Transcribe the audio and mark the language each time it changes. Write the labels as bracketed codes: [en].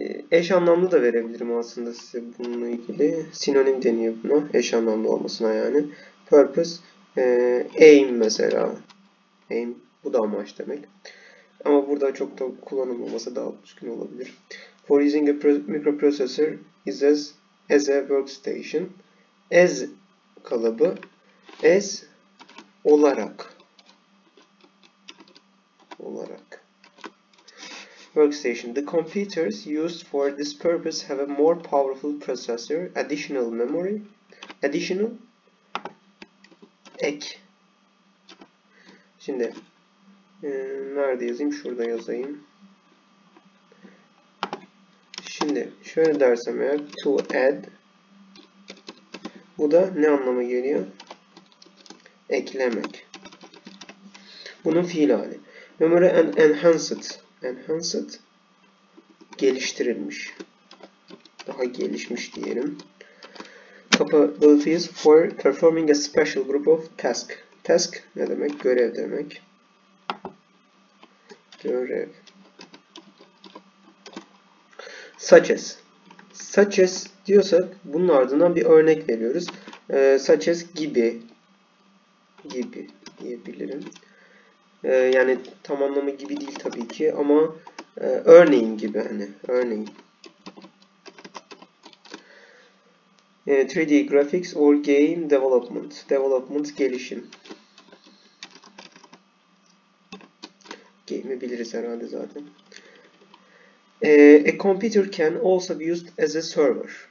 [tr] Eş anlamlı da verebilirim aslında size bununla ilgili. Sinonim deniyor buna. Eş anlamlı olmasına yani. Purpose, aim mesela. Aim, bu da amaç demek. Ama burada çok da kullanılmaması daha düzgün olabilir. [en] For using a microprocessor is as a workstation. [tr] As kalıbı, as olarak. [en] Olarak. Workstation. The computers used for this purpose have a more powerful processor, additional memory, additional ek. [tr] Şimdi nerede yazayım? Şurada yazayım. Şimdi şöyle dersem eğer to add, bu da ne anlama geliyor? Eklemek. Bunun fiil hali. [en] Memory and enhanced. [tr] Enhanced, geliştirilmiş, daha gelişmiş diyelim. [en] Capabilities for performing a special group of task. [tr] Task ne demek? Görev demek. Görev. [en] Such as. [tr] Such as diyorsak bunun ardından bir örnek veriyoruz. Such as gibi. Gibi diyebilirim. Yani tam anlamı gibi değil tabii ki ama örneğin gibi hani örneğin. [en] 3D graphics or game development. Development gelişim. [tr] Game'i biliriz herhalde zaten. [en] A computer can also be used as a server.